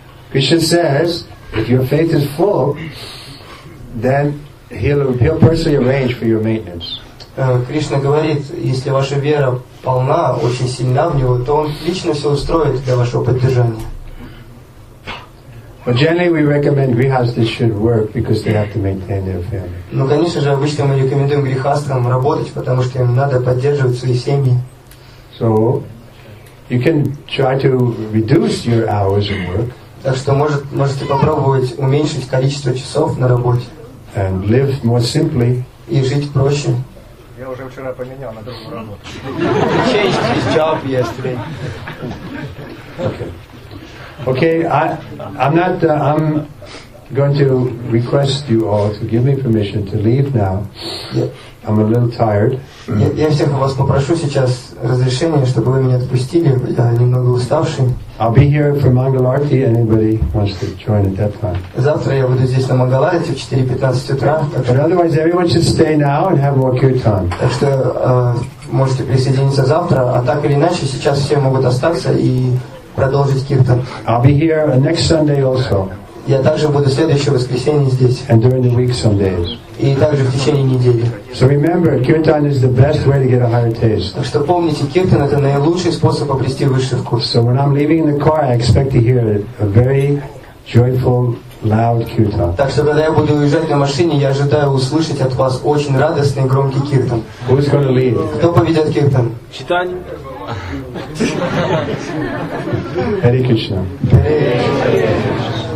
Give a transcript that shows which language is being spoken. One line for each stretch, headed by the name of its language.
English: Krishna says, if your faith is full, then he'll personally arrange for your maintenance.
Russian: Кришна говорит, если ваша вера полна, очень сильна в него, то он лично все устроит для вашего поддержания.
English: But generally we recommend grihasthas should work because they have to maintain their family.
Russian: Ну, конечно же, обычно мы рекомендуем грихастам работать, потому что им надо поддерживать свои семьи.
English: So you can try to reduce your hours of work.
Russian: Так что можете попробовать уменьшить количество часов на работе.
English: And live more simply.
Russian: И жить проще. Я уже вчера поменял на другую работу.
English: Change his job yesterday. Okay, I'm going to request you all to give me permission to leave now. Yeah. I'm a little tired.
Russian: Я всех вас попрошу сейчас разрешения, чтобы вы меня отпустили. Я немного уставший.
English: I'll be here for Mangal Arati. Anybody wants to join at that time?
Russian: Завтра я буду здесь на Mangal Arati в 4:15 утра.
English: But otherwise, everyone should stay now and have more kirtan.
Russian: Так что можете присоединиться завтра, а так или иначе сейчас все могут остаться и продолжить киртан.
English: I'll be here next Sunday also.
Russian: Я также буду следующее воскресенье здесь.
English: And during the week some days.
Russian: И также в течение недели.
English: So remember, kirtan is the best way to get a higher taste.
Russian: Так что помните, киртан это наилучший способ обрести высший вкус.
English: So when I'm leaving in the car, I expect to hear a very joyful, loud kirtan.
Russian: Так что когда я буду уезжать на машине, я ожидаю услышать от вас очень радостный и громкий киртан.
English: Who's going to lead?
Russian: Кто поведет киртан? Читань.
Sanskrit: Hare Krishna. Hare Krishna.